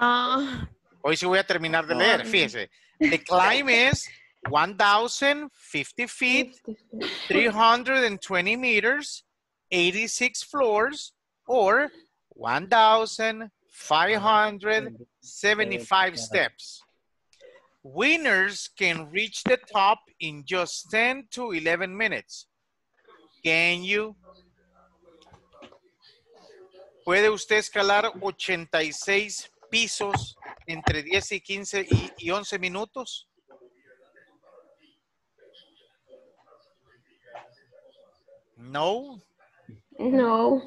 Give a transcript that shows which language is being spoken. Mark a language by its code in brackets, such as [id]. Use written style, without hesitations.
[es] Hoy sí voy a terminar de leer, fíjese. [en] The climb is 1,050 feet, 320 meters, 86 floors, or 1,575 steps. Winners can reach the top in just 10 to 11 minutes. Can you? [es] ¿Puede usted escalar 86 pisos entre 10 y 15 y 11 minutos? No. No.